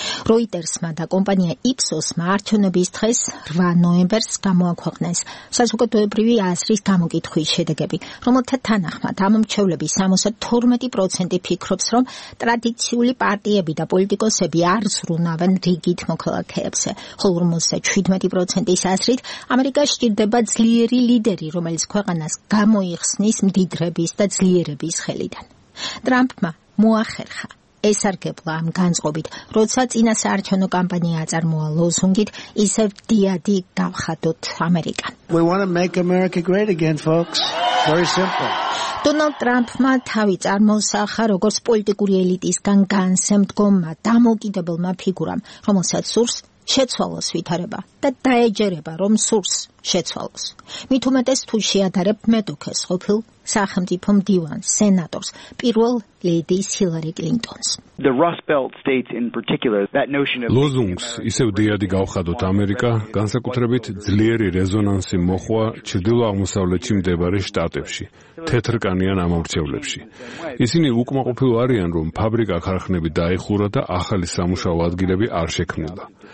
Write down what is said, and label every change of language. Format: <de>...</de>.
<ka>Reuters-მა და კომპანია Ipsos-მა არჩევნების დღეს 8 ნოემბერს გამოაქვეყნეს საზოგადოებრივი აზრის გამოკითხვის შედეგები, რომელთა თანახმად ამომრჩევლების 72% ფიქრობს, რომ ტრადიციული პარტიები და პოლიტიკოსები არ ზრუნავენ რიგით მოქალაქეებზე, ხოლო 57%-ის აზრით ამერიკა სჭირდება ძლიერი ლიდერი, რომელიც ქვეყანას გამოიხსნის მდიდრების და ძლიერების ხელიდან. ტრამპმა მოახერხა ესარგებლა ამ განწყობით, როცა წინა საარჩევნო კამპანია აწარმოა ლოზუნგით ისევ დიადი გავხადოთ ამერიკა.</ka> <en>We want to make America great again, folks. Very simple.</en> <ka>დონალდ ტრამპმა თავი წარმოსახა როგორც პოლიტიკური ელიტისგან განსემდგომმა დამოკიდებელმა ფიგურამ, რომელსაც სურს შეცვალოს ვითარება და დაეჯერება, რომ სურს შეცვალოს. მით უმეტეს, თუ შეადარებ მეტოქეს ყოფილ სახელმწიფო მდივანს, სენატორს, პირველ ლედის ჰილარი კლინტონს.</ka> <en>The Rust Belt states in particular that notion of</en> <ka>Lozungs ისევ დიადი გავხადოთ ამერიკა, განსაკუთრებით ძლიერი რეზონანსი მოხვა ჩრდილო-აღმოსავლეთში მდებარე შტატებში, თეთრკანიან ამომრჩევლებში. ისინი უკმაყოფილო არიან, რომ ფაბრიკა ქარხნები დაიხურა და ახალი სამუშაო ადგილები არ შექმნილა.</ka>